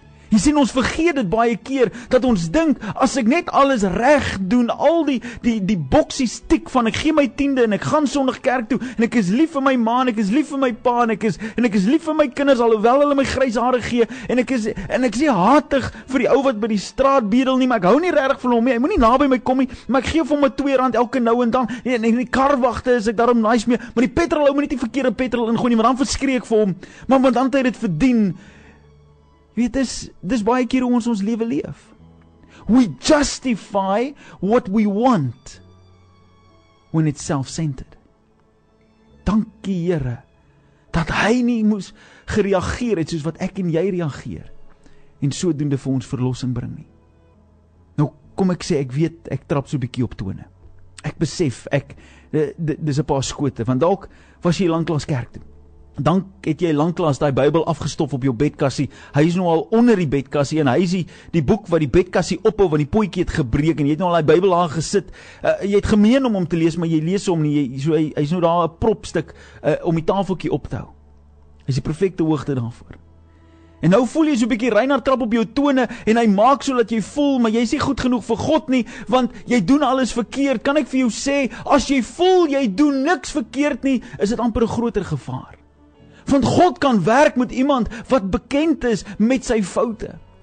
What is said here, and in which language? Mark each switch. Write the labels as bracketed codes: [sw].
[af] Jy sien, ons vergeet dit baie keer, dat ons dink, as ek net alles reg doen, al die boksies tik van, ek gee my tiende en ek gaan sondag kerk toe, en ek is lief vir my ma, en ek is lief vir my pa, en ek is lief vir my kinders, alhoewel hulle my grys hare gee, en ek is nie hatig vir die ou wat by die straat bedel nie, maar ek hou nie regtig van hom nie, hy moet nie na by my kom nie, maar ek gee vir hom R2 elke nou en dan, en die karwagte is ek daarom nice mee, maar die petrol, hou my nie die verkeerde petrol ingooi nie, maar dan verskree ek vir hom, maar want dan het hy dit verdien. Weet, dis baie keer hoe ons lewe leef. [en] We justify what we want when it's self-centered. [af] Dankie Here, dat hy nie moes gereageer het soos wat ek en jy reageer en sodoende vir ons verlossing bring nie. Nou kom ek sê, ek weet, ek trap so 'n bietjie op tone. Ek besef, dis 'n paar skote, want dalk was jy lanklaas kerk toe. Dan het jy lanklaas daai Bybel afgestof op jou bedkassie. Hy is nou al onder die bedkassie en hy is die boek wat die bedkassie ophou want die pootjie het gebreek en jy het nou al daai Bybel daar gesit. Jy het gemeen om hom te lees, maar jy lees hom nie. Hy is nou daar 'n propstuk om die tafeltjie op te hou. Hy is die perfekte hoogte daarvoor. En nou voel jy so 'n bietjie Reinhard trap op jou tone en hy maak so dat jy voel, maar jy is nie goed genoeg vir God nie, want jy doen alles verkeerd. Kan ek vir jou sê, as jy voel jy doen niks verkeerd nie, is dit amper 'n groter gevaar. Want God kan werk met iemand wat bekend is met sy foute.